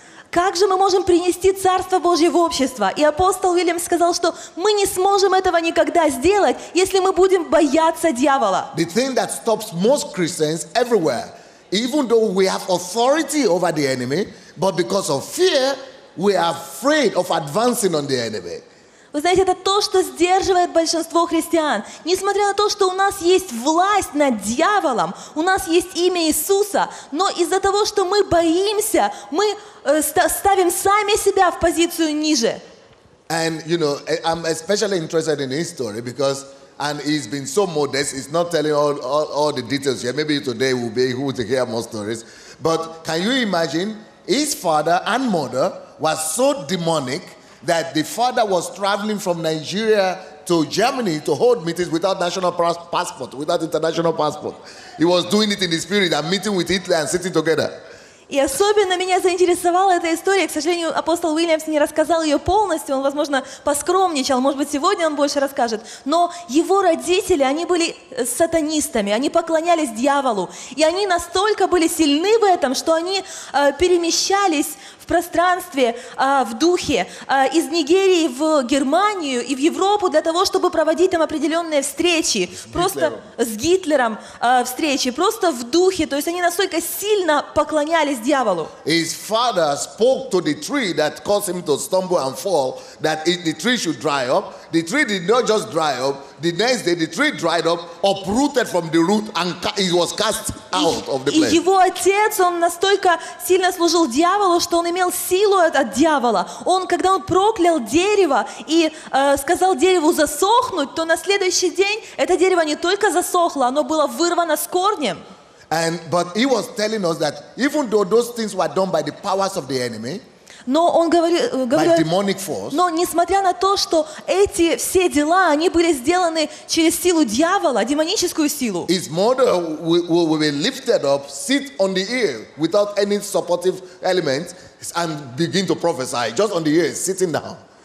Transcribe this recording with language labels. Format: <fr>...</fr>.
<ru>Как же мы можем принести Царство Божье в общество? И апостол Уильям сказал, что мы не сможем этого никогда сделать, если мы будем бояться дьявола.</ru> <en>The thing that stops most Christians everywhere, even though we have authority over the enemy, but because of fear, we are afraid of advancing on the enemy.</en> <ru>Вы знаете, это то, что сдерживает большинство христиан. Несмотря на то, что у нас есть власть над дьяволом, у нас есть имя Иисуса, но из-за того, что мы боимся, мы ставим сами себя в позицию ниже.</ru> <en>And, you know, I'm especially interested in his story because and he's been so modest, he's not telling all the details here. Maybe today we'll be able to hear more stories. But can you imagine, his father and mother was so demonic that the father was traveling from Nigeria to Germany to hold meetings without national passport, without international passport. He was doing it in the spirit and meeting with Hitler and sitting together.</en> <ru>И особенно меня заинтересовала эта история. К сожалению, апостол Уильямс не рассказал ее полностью. Он, возможно, поскромничал. Может быть, сегодня он больше расскажет. Но его родители, они были сатанистами. Они поклонялись дьяволу. И они настолько были сильны в этом, что они перемещались в пространстве, в духе, из Нигерии в Германию и в Европу для того, чтобы проводить там определенные встречи. С Гитлером встречи. Просто в духе. То есть они настолько сильно поклонялись доверялись дьяволу.</ru> <en>His father spoke to the tree that caused him to stumble and fall, that the tree should dry up. The tree did not just dry up. The next day, the tree dried up, uprooted from the root, and it was cast out of the place.</en> <ru>И его отец, он настолько сильно служил дьяволу, что он имел силу от дьявола. Он, когда он проклял дерево и сказал дереву засохнуть, то на следующий день это дерево не только засохло, оно было вырвано с корнем.</ru> <en>And but he was telling us that even though those things were done by the powers of the enemy,</en> <ru>но он говорил, но несмотря на то, что эти все дела, они были сделаны через силу дьявола, демоническую силу.</ru> <en>His mother will be lifted up, sit on the ear without any supportive element, and begin to prophesy just on the ear, sitting down.</en>